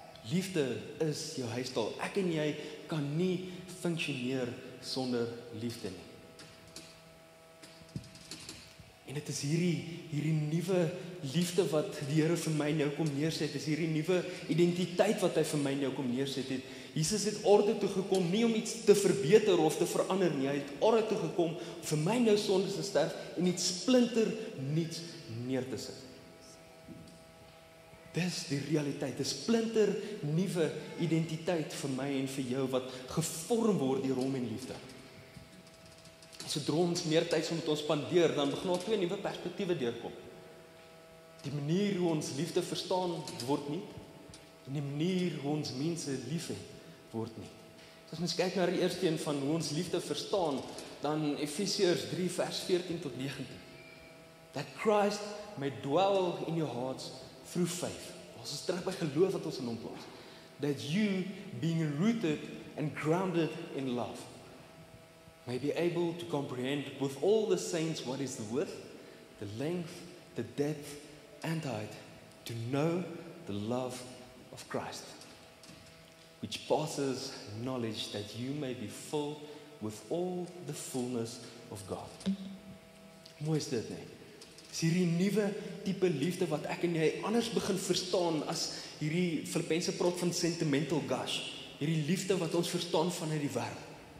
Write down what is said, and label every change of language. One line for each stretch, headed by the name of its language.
Afrikaans: Liefde is jou huistaal. Ek en jy kan nie funksioneer sonder liefde nie. En dit is hierdie nuwe liefde wat die Here vir my nou kom neerset, is hierdie nuwe identiteit wat hy vir my nou kom neerset het. Jesus het orde toe gekom nie om iets te verbeter of te verander nie. Hy het orde toe gekom om vir my nou sondes te sterf en iets splinter nuuts neer te sit. Dis die realiteit, dis splinter nuwe identiteit vir my en vir jou wat gevorm word deur hom en liefde. Sodra ons meer tyd saam met ons spandeer, dan begin ons twee nuwe perspektiewe deurkom. Die manier hoe ons liefde verstaan, word nie. En die manier hoe ons mense liefhet, word nie. As ons kyk na die eerste een van hoe ons liefde verstaan, dan Efesiërs 3 vers 14 tot 19.
English: That Christ may dwell in your hearts through faith.
Afrikaans: Ons is terug by geloof wat ons in hom plaas.
English: That you, being rooted and grounded in love, may be able to comprehend with all the saints what is the width, the length, the depth, and height, to know the love of Christ, which passes knowledge, that you may be full with all the fullness of God.
Afrikaans: Mooi is dit, nee? Is hierdie nuwe type liefde wat ek en jy anders begin verstaan as hierdie Filippense prop van sentimental gush, hierdie liefde wat ons verstaan vanuit die wêreld.